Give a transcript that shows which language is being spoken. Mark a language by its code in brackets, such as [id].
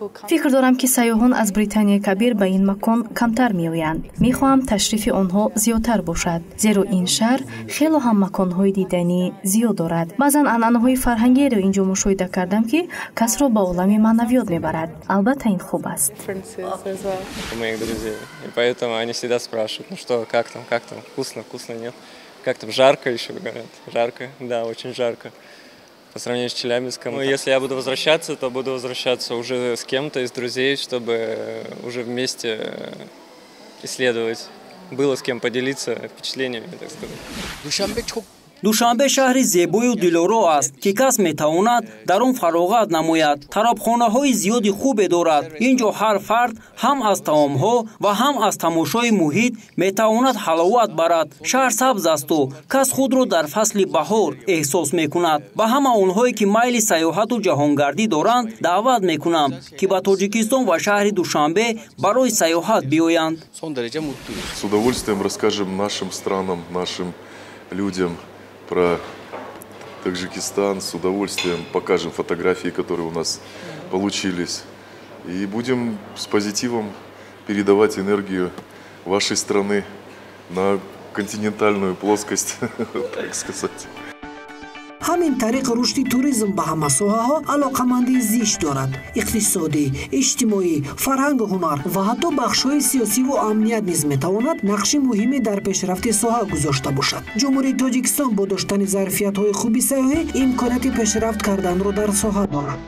[tg] Фикр дорам ки сайёҳон аз Британия Кабир ба ин макон камтар меоянд. [fa] میخواهم تشریف آنها زیادتر باشد زیرا این شهر خیلی هم مکانهای دیدنی زیاد دارد بعضن انانه های فرهنگی را اینجا مشاهده کردم که کس را به عالم معنویات میبرد البته این خوب است [ru] моих друзей и поэтому они всегда спрашивают ну что как там вкусно вкусно нет как там жарко еще говорят жарко да очень жарко по сравнению с Челябинском. Ну, если я буду возвращаться то буду возвращаться уже с кем-то из друзей чтобы уже вместе исследовать. Было с кем поделиться впечатлениями, так сказать. [tg] Душанбе шаҳри зебои ва дилоро аст, ки кас метавонад дар он фароғат намояд. Тарабхонаҳои зиёди хубе дорад. Инҷо ҳар фард ҳам аз таомҳо ва ҳам аз тамошои муҳит метавонад ҳаловат барад. Шаҳр сабз аст ва кас худро дар фасли баҳор эҳсос мекунад. Ба ҳама онҳое, ки майли саёҳату ҷаҳонгардӣ доранд, даъват мекунам, ки ба Тоҷикистон ва шаҳри Душанбе барои саёҳат биёянд. [ru] С удовольствием расскажем нашим странам, нашим людям про Таджикистан, с удовольствием покажем фотографии, которые у нас получились. И будем с позитивом передавать энергию вашей страны на континентальную плоскость, так сказать. [tg] Ҳамин тариқ рушди туризм ба ҳама соҳаҳо алоқамандии зич дорад. Иқтисодӣ, иҷтимоӣ, фарҳангу ҳунар ва ҳатто бахшҳои сиёсиву амният низ метавонад нақши муҳиме дар пешрафти соҳа гузошта бошад. Ҷумҳурии Тоҷикистон бо доштани зарфиятҳои хуби сайёҳӣ имконияти пешрафт карданро дар соҳа дорад.